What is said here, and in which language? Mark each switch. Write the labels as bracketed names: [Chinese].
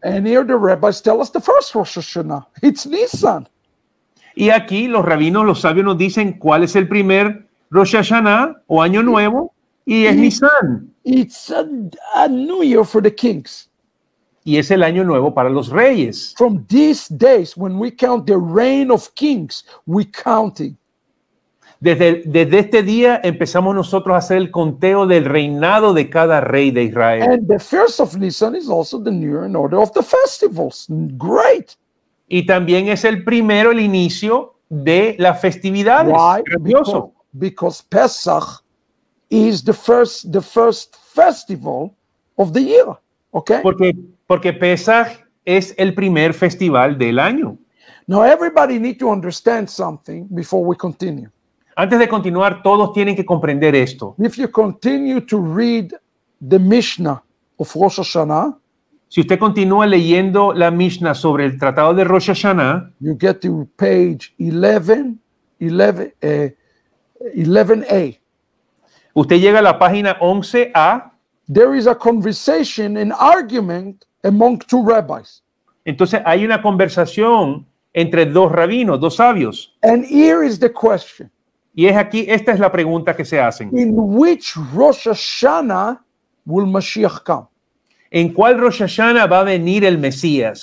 [English] And here the rabbis tell us the first Rosh Hashanah. It's Nisan. [Spanish] Y aquí los rabinos, los sabios nos dicen cuál es el primer Rosh Hashanah o Año Nuevo, y es Nisan. [English] It's a new year for the kings. [Spanish] Y es el año nuevo para los reyes. [English] From these days, when we count the reign of kings, we counting. [Spanish] Desde este día empezamos nosotros a hacer el conteo del reinado de cada rey de Israel. [English] And the first of Nisan is also the new in order of the festivals. Great. [Spanish] Y también es el primero, el inicio de las festividades. [English] Why? Because Pesach is the first festival of the year. Okay. [Spanish] Porque Pesaj es el primer festival del año. [English] Now everybody need to understand something before we continue. [Spanish] Antes de continuar, todos tienen que comprender esto. [English] If you continue to read the Mishnah of Rosh Hashanah, [Spanish] si usted continúa leyendo la Mishnah sobre el tratado de Rosh Hashanah, [English] you get to page 11A. [Spanish] Usted llega a la página 11A. [English] There is a conversation, an argument among two rabbis. [Spanish] Entonces hay una conversación entre dos rabinos, dos sabios. [English] And here is the question. [Spanish] Y es aquí, esta es la pregunta que se hacen. [English] In which Rosh Hashanah will Mashiach come? [Spanish] ¿En cuál Rosh Hashanah va a venir el Mesías?